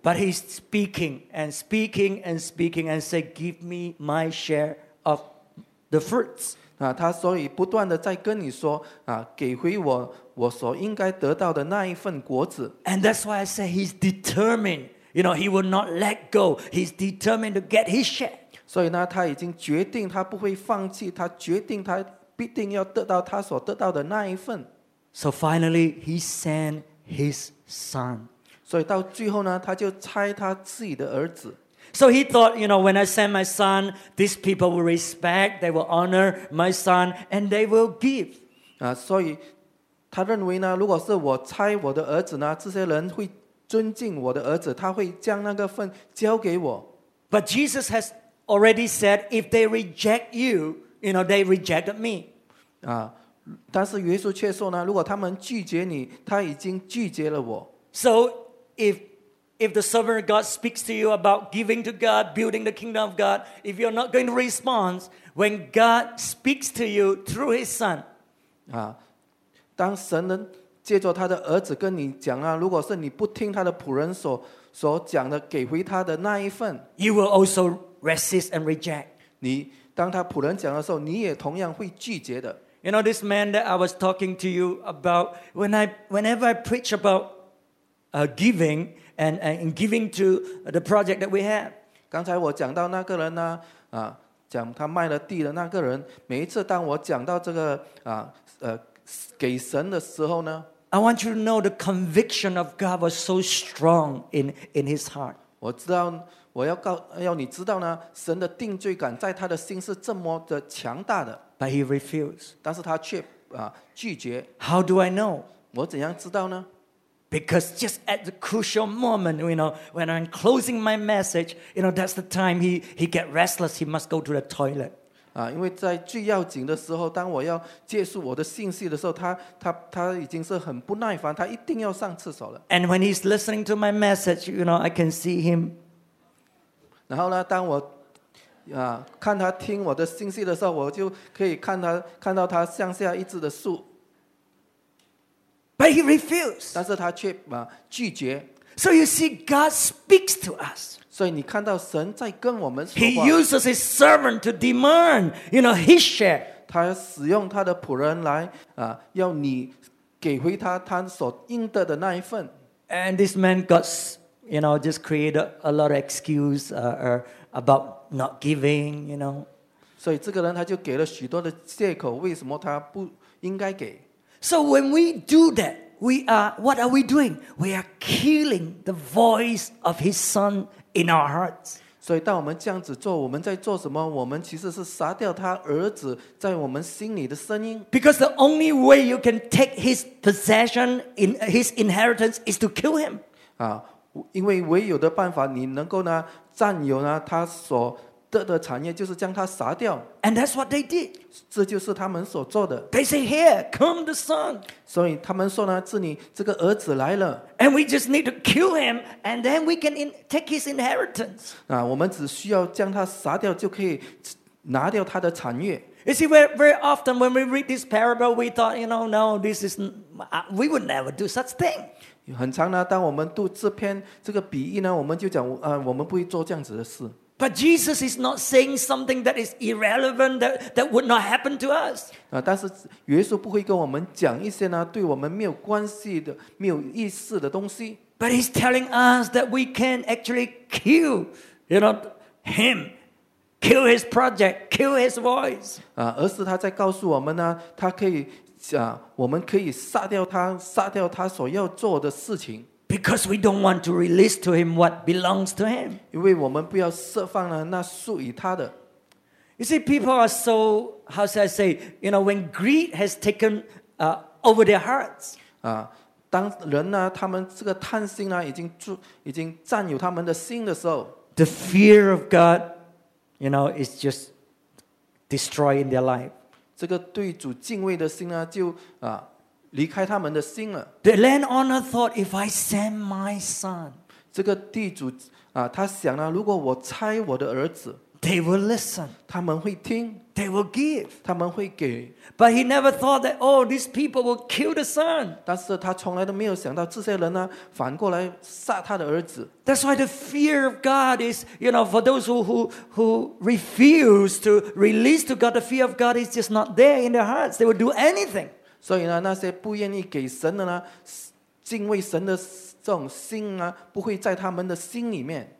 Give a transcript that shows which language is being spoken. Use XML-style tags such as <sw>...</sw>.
<en>But he's speaking and speaking and speaking and say, "Give me my share of the fruits."</en> <zh>他所以不断的在跟你说给回我所应该得到的那一份果子。</zh> <en>And that's why I say he's determined. You know, he will not let go. He's determined to get his share.</en> <zh>所以呢，他已经决定，他不会放弃，他决定，他必定要得到他所得到的那一份。</zh> <en>So finally, he sent his son.</en> <zh>所以到最后呢，他就差他自己的儿子。</zh> <en>So he thought, you know, when I send my son, these people will respect, they will honor my son, and they will give.</en> <zh>所以他认为呢，如果是我差我的儿子呢，这些人会尊敬我的儿子，他会将那个份交给我。</zh> <en>But Jesus has already said, if they reject you, you know, they rejected me.</en> <zh>但是耶稣却说呢，如果他们拒绝你，他已经拒绝了我。</zh> <en>So if the servant of God speaks to you about giving to God, building the kingdom of God, if you're not going to respond, when God speaks to you through his son,</en> <zh>当神能借着他的儿子跟你讲啊，如果是你不听他的仆人所讲的，给回他的那一份，</zh> <en>you will also resist and reject.</en> <zh>你当他仆人讲的时候，你也同样会拒绝的。</zh> <en>You know this man that I was talking to you about. Whenever I preach about giving and giving to the project that we have.</en> <zh>刚才我讲到那个人呢，啊，讲他卖了地的那个人，每一次当我讲到这个啊，给神的时候呢</zh> <en>，I want you to know the conviction of God was so strong in his heart。</en> <zh>我知道，我要告要你知道呢，神的定罪感在他的心是这么的强大的。</zh> <en>But he refused。</en> <zh>但是他却啊拒绝。</zh> <en>How do I know？</en> <zh>我怎样知道呢？</zh> <en>Because just at the crucial moment, you know, when I'm closing my message, you know, that's the time he get restless. He must go to the toilet.</en> <zh>啊，因为在最要紧的时候，当我要结束我的信息的时候，他已经是很不耐烦，他一定要上厕所了。</zh> <en>And when he's listening to my message, you know, I can see him.</en> <zh>然后呢，当我啊看他听我的信息的时候，我就可以看到他向下一直的竖。</zh> <en>But he refused.</en> <zh>但是他却啊拒绝。</zh> <en>So you see, God speaks to us.</en> <zh>所以你看到神在跟我们说话。</zh> <en>He uses his servant to demand, you know, his share.</en> <zh>他使用他的仆人来啊，要你给回他所应得的那一份。</zh> <en>And this man got, you know, just created a lot of excuse about not giving, you know.</en> <zh>所以这个人他就给了许多的借口，为什么他不应该给？</zh> <en>So when we do that, what are we doing? We are killing the voice of His Son in our hearts.</en> <zh>所以当我们这样子做，我们在做什么？我们其实是杀掉他儿子在我们心里的声音。</zh> <en>Because the only way you can take His possession in His inheritance is to kill Him.</en> <zh>啊，因为唯有的办法，你能够呢占有呢他所得的产业，就是将他杀掉。</zh> <en>And that's what they did.</en> <zh>这就是他们所做的。</zh> <en>They say, "Here, come the son."</en> <zh>所以他们说呢，这里这个儿子来了。</zh> <en>And we just need to kill him, and then we can take his inheritance.</en> <zh>啊，我们只需要将他杀掉，就可以拿掉他的产业。</zh> <en>You see, very often when we read this parable, we thought, you know, no, this is we would never do such thing.</en> <zh>很常呢，当我们读这篇这个比喻呢，我们就讲啊，我们不会做这样子的事。</zh> <en>But Jesus is not saying something that is irrelevant that would not happen to us.</en> <zh>但是耶稣不会跟我们讲一些呢对我们没有关系的没有意思的东西。</zh> <en>But he's telling us that we can actually kill, you know, him, kill his project, kill his voice.</en> <zh>而是他在告诉我们呢，他可以啊，我们可以杀掉他，杀掉他所要做的事情。</zh> <en>Because we don't want to release to him what belongs to him.</en> <zh>因为我们不要释放了那属于他的。</zh> <en>You see, people are so, how should I say, you know, when greed has taken over their hearts.</en> <zh>啊，当人呢，他们这个贪心呢，已经占有他们的心的时候</zh> <en>，the fear of God, you know, is just destroying their life.</en> <zh>这个对主敬畏的心呢，就啊。离开他们的心了。</zh> <en>The landowner thought, if I send my son,</en> <zh>这个地主啊，他想呢，如果我差我的儿子</zh> <en>，they will listen,</en> <zh>他们会听</zh> <en>，they will give,</en> <zh>他们会给。</zh> <en>But he never thought that, oh, these people will kill the son.</en> <zh>但是他从来都没有想到这些人呢，反过来杀他的儿子。</zh> <en>That's why the fear of God is, you know, for those who refuse to release to God, the fear of God is just not there in their hearts. They will do anything.</en> <zh>所以呢，那些不愿意给神的呢，敬畏神的这种心呢，不会在他们的心里面。</zh>